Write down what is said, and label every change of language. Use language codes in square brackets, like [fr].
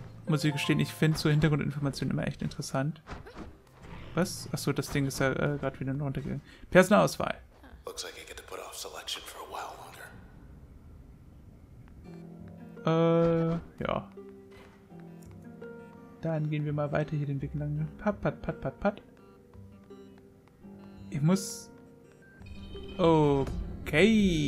[de] Muss ich gestehen, ich finde so Hintergrundinformationen immer echt interessant. Was? Achso, das Ding ist ja gerade wieder runtergegangen. Personalauswahl. [en] Looks like I get to put off selection for a while longer. [de] Ja. Dann gehen wir mal weiter hier den Weg lang. Pat, pat, pat, pat, pat. Ich muss. Okay.